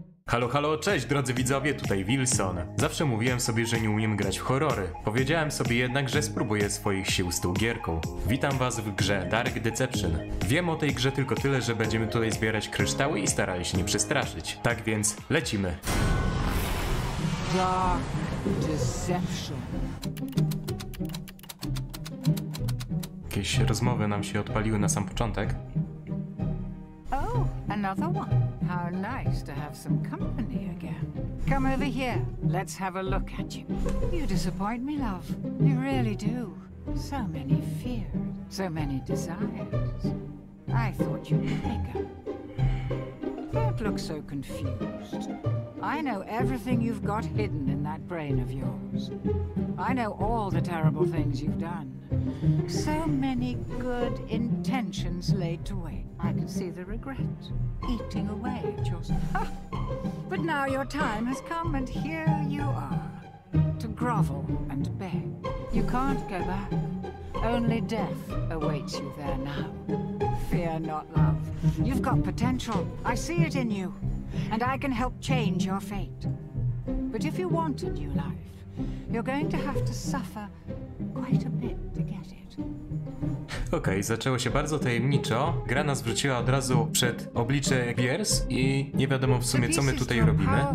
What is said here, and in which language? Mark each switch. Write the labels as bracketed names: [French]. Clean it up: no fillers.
[Polish] Halo, halo, cześć drodzy widzowie, tutaj Wilson. Zawsze mówiłem sobie, że nie umiem grać w horrory. Powiedziałem sobie jednak, że spróbuję swoich sił z tą gierką. Witam was w grze Dark Deception. Wiem o tej grze tylko tyle, że będziemy tutaj zbierać kryształy i starali się nie przestraszyć. Tak więc, lecimy. Dark Deception. Jakieś rozmowy nam się odpaliły na sam początek. [English] Another one. How nice to have some company again. Come over here. Let's have a look at you. You disappoint me, love. You really do. So many fears. So many desires. I thought you'd be bigger. Don't look so confused. I know everything you've got hidden in that brain of yours. I know all the terrible things you've done. So many good intentions laid to wait. I can see the regret eating away at your... But now your time has come and here you are. To grovel and beg. You can't go back. Only death awaits you there now. Fear not, love. You've got potential. I see it in you. And I can help change your fate. But if you want a new life, you're going to have to suffer quite a bit. [Polish] Okej, zaczęło się bardzo tajemniczo. Gra nas wrzuciła od razu przed oblicze Gears i nie wiadomo w sumie, co my tutaj robimy.